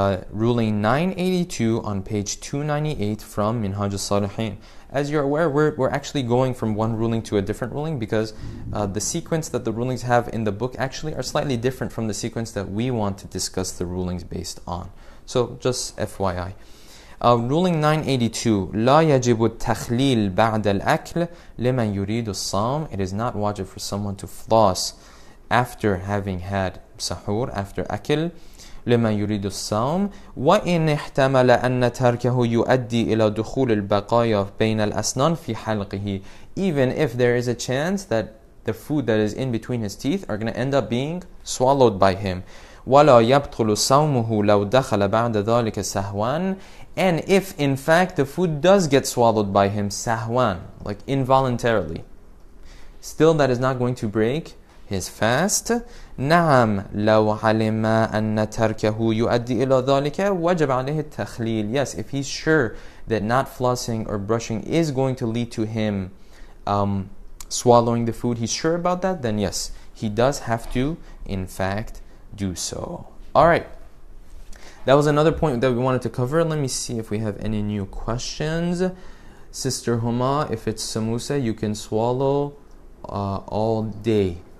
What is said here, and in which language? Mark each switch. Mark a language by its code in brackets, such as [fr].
[en] Ruling 982 on page 298 from Minhaj al-Salihin. As you're aware, we're actually going from one ruling to a different ruling because the sequence that the rulings have in the book actually are slightly different from the sequence that we want to discuss the rulings based on. So just FYI. [ar] Ruling 982, لا يجب التخليل بعد الأكل لمن يريد الصام. [en] It is not wajib for someone to floss after having had sahur, after akil. [ar] لمن يريد الصوم وإن احتمل أن تركه يؤدي إلى دخول البقايا بين الأسنان في حلقه. [en] Even if there is a chance that the food that is in between his teeth are going to end up being swallowed by him. [ar] ولا يبطل صومه لو دخل بعد ذلك سهوان. [en] And if in fact the food does get swallowed by him سهوان, like involuntarily, still that is not going to break his fast. [ar] نعم لو علم أن تركه يؤدي إلى ذلك وجب عليه التخليل. [en] Yes, if he's sure that not flossing or brushing is going to lead to him swallowing the food, he's sure about that, then yes, he does have to in fact do so. All right, that was another point that we wanted to cover. Let me see if we have any new questions. Sister Huma, if it's samosa, you can swallow all day.